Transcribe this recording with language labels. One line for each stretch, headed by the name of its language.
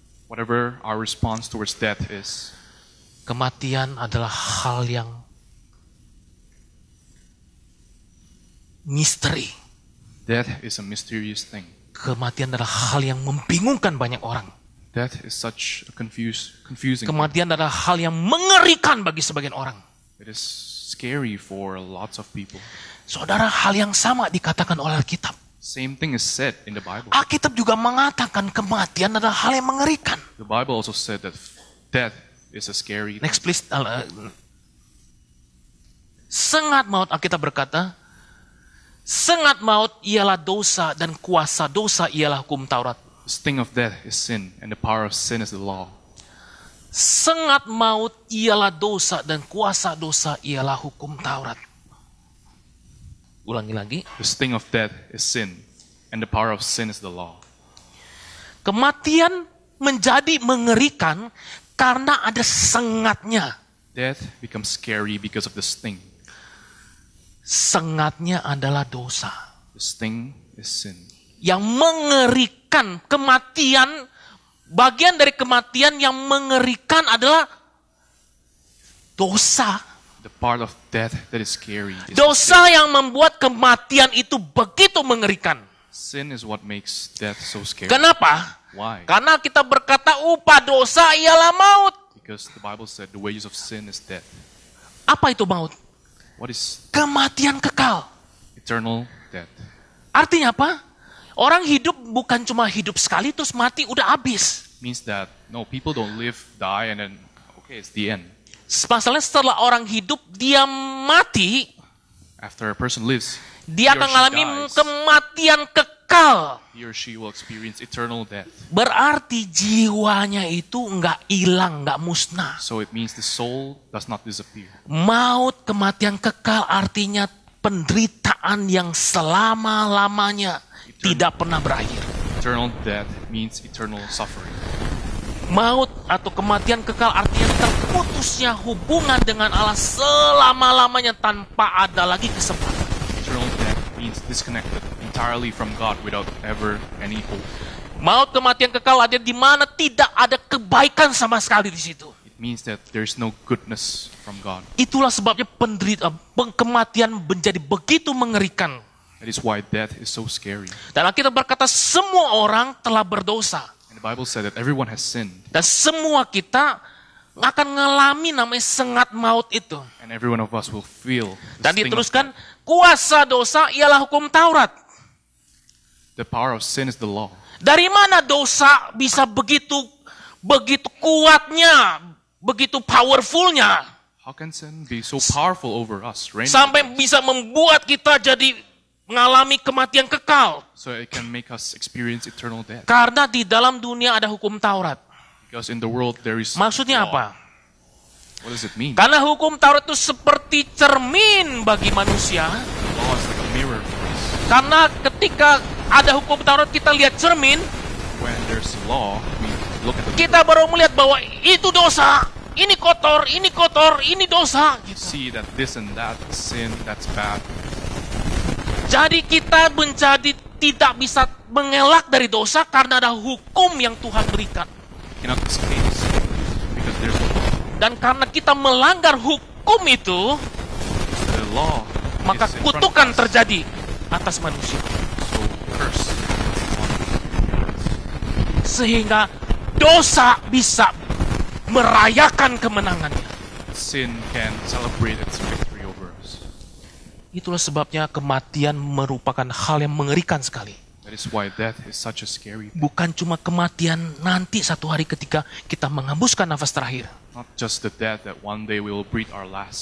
English: Whatever our response towards death is.
Indonesian: Kematian adalah hal yang misteri.
English: Death is a mysterious thing.
Indonesian: Kematian adalah hal yang membingungkan banyak orang.
English: Death is such a confusing.
Indonesian: Kematian adalah hal yang mengerikan bagi sebagian orang.
English: It is scary for lots of people.
Indonesian: Saudara, hal yang sama dikatakan oleh Alkitab.
English: Same thing is said in the Bible.
Indonesian: Alkitab juga mengatakan kematian adalah hal yang mengerikan.
English: The Bible also said that death is a scary. Next please.
Indonesian: Sengat maut, Alkitab berkata, sengat maut ialah dosa dan kuasa dosa ialah hukum Taurat.
English: Sting of death is sin and the power of sin is the law.
Indonesian: Sengat maut ialah dosa dan kuasa dosa ialah hukum Taurat. Ulangi lagi.
English: The sting of death is sin and the power of sin is the law.
Indonesian: Kematian menjadi mengerikan karena ada sengatnya.
English: Death becomes scary because of the sting.
Indonesian: Sengatnya adalah dosa.
English: The sting is sin.
Indonesian: Yang mengerikan. Kan kematian, bagian dari kematian yang mengerikan adalah dosa.
English: The part of death that is scary.
Indonesian: Dosa yang membuat kematian itu begitu mengerikan.
English: Sin is what makes death so scary.
Indonesian: Kenapa?
English: Why?
Indonesian: Karena kita berkata upah dosa ialah maut.
English: Because the Bible said the wages of sin is death.
Indonesian: Apa itu maut?
English: What is?
Indonesian: Kematian kekal.
English: Eternal death.
Indonesian: Artinya apa? Orang hidup bukan cuma hidup sekali terus mati udah habis.
English: Means that no, people don't live, die and then okay, it's the end.
Indonesian: Masalahnya setelah orang hidup dia mati,
English: after a person lives,
Indonesian: dia akan mengalami kematian kekal.
English: He or she will experience eternal death.
Indonesian: Berarti jiwanya itu enggak hilang, enggak musnah.
English: So it means the soul does not disappear.
Indonesian: Maut, kematian kekal artinya penderitaan yang selama-lamanya tidak pernah berakhir.
English: Eternal death means eternal suffering.
Indonesian: Maut atau kematian kekal artinya terputusnya hubungan dengan Allah selama-lamanya tanpa ada lagi kesempatan.
English: Eternal death means disconnected entirely from God without ever any hope.
Indonesian: Maut kematian kekal ada di mana tidak ada kebaikan sama sekali di situ.
English: It means that there is no goodness from God.
Indonesian: Itulah sebabnya kematian menjadi begitu mengerikan.
English: That is why death is so scary.
Indonesian: Dan kita berkata semua orang telah berdosa.
English: And the Bible said that everyone has sinned.
Indonesian: Dan semua kita akan mengalami namanya sengat maut itu.
English: And every one of us will feel.
Indonesian: Dan diteruskan kuasa dosa ialah hukum Taurat.
English: The power of sin is the law.
Indonesian: Dari mana dosa bisa begitu kuatnya, begitu powerfulnya?
English: How can sin be so powerful over us?
Indonesian: Sampai bisa membuat kita jadi mengalami kematian kekal.
English: So it can make us experience eternal death.
Indonesian: Karena di dalam dunia ada hukum Taurat.
English: Because in the world there is.
Indonesian: Maksudnya
English: law.
Indonesian: Apa?
English: What does it mean?
Indonesian: Karena hukum Taurat itu seperti cermin bagi manusia.
English: Law is like a mirror for us.
Indonesian: Karena ketika ada hukum Taurat kita lihat cermin.
English: When there's law, we look at the
Indonesian: kita baru melihat bahwa itu dosa. Ini kotor, ini kotor, ini dosa. Gitu.
English: See that this and that sin, that's bad.
Indonesian: Jadi kita menjadi tidak bisa mengelak dari dosa karena ada hukum yang Tuhan berikan.
English: Cannot escape because there's a law.
Indonesian: Dan karena kita melanggar hukum itu,
English: the law,
Indonesian: maka kutukan terjadi atas manusia.
English: So curse.
Indonesian: Sehingga dosa bisa merayakan kemenangannya.
English: Sin can celebrate its victory over us.
Indonesian: Itulah sebabnya kematian merupakan hal yang mengerikan sekali.
English: That is why death is such a scary thing.
Indonesian: Bukan cuma kematian nanti satu hari ketika kita menghembuskan nafas terakhir.
English: Not just the death that one day we will breathe our last.